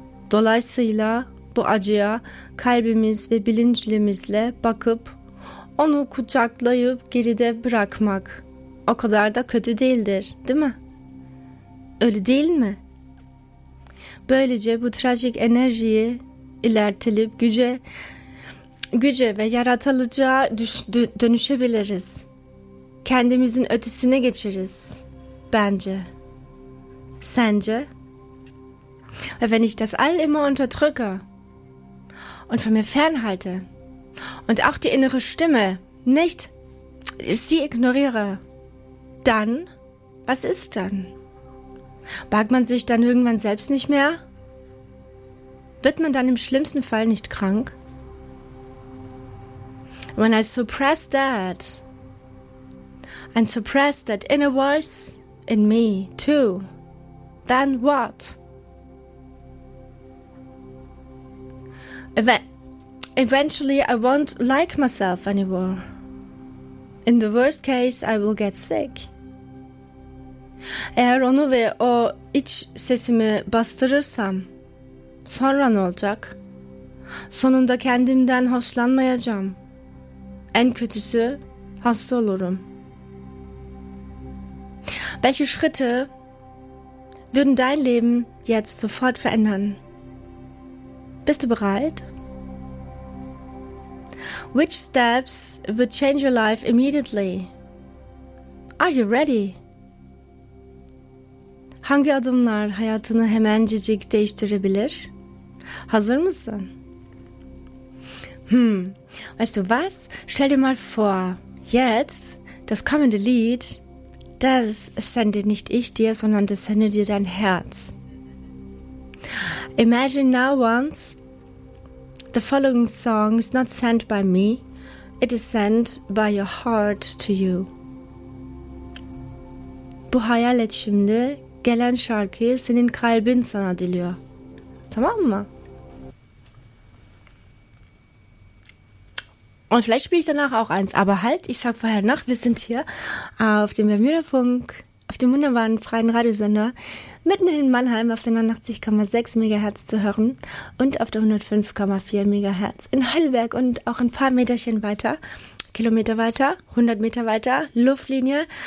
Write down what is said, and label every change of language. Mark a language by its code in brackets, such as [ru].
[tr] Dolayısıyla bu acıya kalbimiz ve bilincimizle bakıp onu kucaklayıp geride bırakmak o kadar da kötü değildir, değil mi? Ölü değil mi? Böylece bu trajik enerjiyi ilertilip güce ve yaratılacağa dönüşebiliriz. Kendimizin ötesine geçeriz. Bence. Sanje? [de] Weil wenn ich das all immer unterdrücke und von mir fernhalte und auch die innere Stimme nicht sie ignoriere, dann, was ist dann? Mag man sich dann irgendwann selbst nicht mehr? Wird man dann im schlimmsten Fall nicht krank? [en] When I suppress that, and suppress that inner voice in me too, then what? Eventually I won't like myself anymore. In the worst case, I will get sick. [tr] Eğer onu ve o iç sesimi bastırırsam, sonra ne olacak? Sonunda kendimden hoşlanmayacağım. En kötüsü hasta olurum. [de] Welche Schritte würden dein Leben jetzt sofort verändern? Bist du bereit? [en] Which steps would change your life immediately? Are you ready? [tr] Hangi adımlar hayatını hemencecik değiştirebilir? Hazır mısın? [de] Weißt du was? Stell dir mal vor, jetzt, das kommende Lied, das sende nicht ich dir, sondern das sende dir dein Herz. [en] Imagine now once, the following song is not sent by me, it is sent by your heart to you. [tr] Bu hayal et şimdi, gelen şarkıyı senin kalbin sana diliyor. Tamam mı? [de] Und vielleicht spiele ich danach auch eins. Aber halt, ich sag vorher noch, wir sind hier auf dem Bermuda-Funk, auf dem wunderbaren freien Radiosender, mitten in Mannheim auf der 89,6 MHz zu hören und auf der 105,4 MHz in Heidelberg und auch ein paar Meterchen weiter, Kilometer weiter, 100 Meter weiter, Luftlinie.